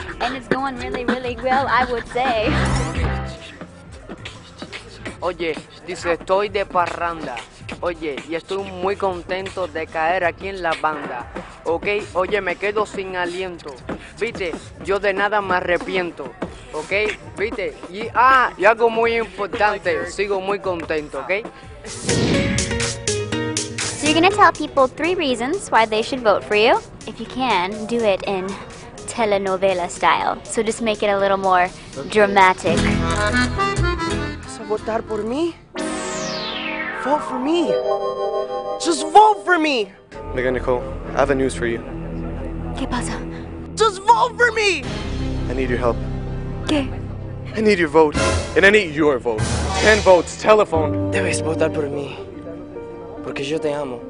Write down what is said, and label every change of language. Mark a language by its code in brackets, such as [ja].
[en] And it's going really, really well, I would say. [es] Oye, dice, estoy de parranda. Oye, y estoy muy contento de caer aquí en la banda. Ok, oye, me quedo sin aliento. Viste, yo de nada me arrepiento. Ok, viste. Y algo muy importante, sigo muy contento, ok. [en] So you're gonna tell people three reasons why they should vote for you. If you can, do it in telenovela style. So just make it a little more dramatic. [es] Votar por mí. [en] Vote for me. Just vote for me. Megan Nicole, I have a news for you. [es] ¿Qué pasa? [en] Just vote for me. I need your help. [es] ¿Qué? [en] I need your vote, and I need your vote. 10 votes, telephone. [es] Debes votar por mí, porque yo te amo.